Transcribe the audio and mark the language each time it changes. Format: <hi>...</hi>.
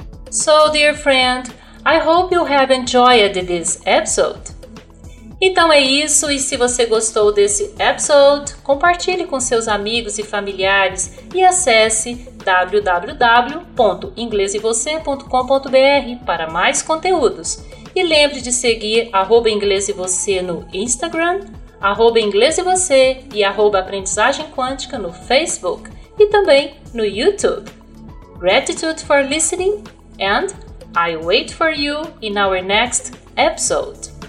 <en>So, dear friend, I hope you have enjoyed this episode.</en> <pt>Então é isso, e se você gostou desse episode, compartilhe com seus amigos e familiares e acesse www.inglesevocê.com.br para mais conteúdos. E lembre de seguir arroba Inglês e Você no Instagram, arroba Inglês e Você e arroba Aprendizagem Quântica no Facebook e também no YouTube.</pt> <en>Gratitude for listening and I wait for you in our next episode.</en>